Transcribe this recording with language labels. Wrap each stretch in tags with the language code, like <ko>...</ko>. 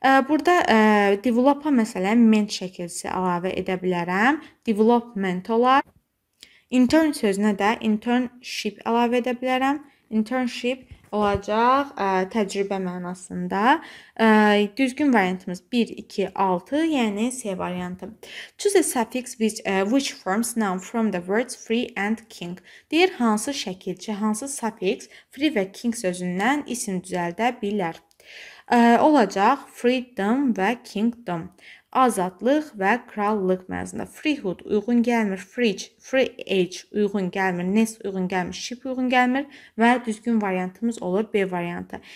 <az>Burada develop-a məsələn ment şəkilçisi əlavə edə bilərəm. Development olar. Intern sözünə də internship əlavə edə bilərəm. Internship olacaq təcrübə mənasında. Düzgün variantımız 1, 2, 6, yəni C variantı.</az> <en>Choose a suffix which forms noun from the words free and king.</en> <az>Deyir, hansı şəkilçi, hansı suffix free və king sözündən isim düzəldə bilər. Olacaq freedom və kingdom. Azadlıq və krallıq mənasında. Freehood uyğun gəlmir, fridge, free age uyğun gəlmir, nest uyğun gəlmir, ship uyğun gəlmir və düzgün variantımız olur B variantı.</az>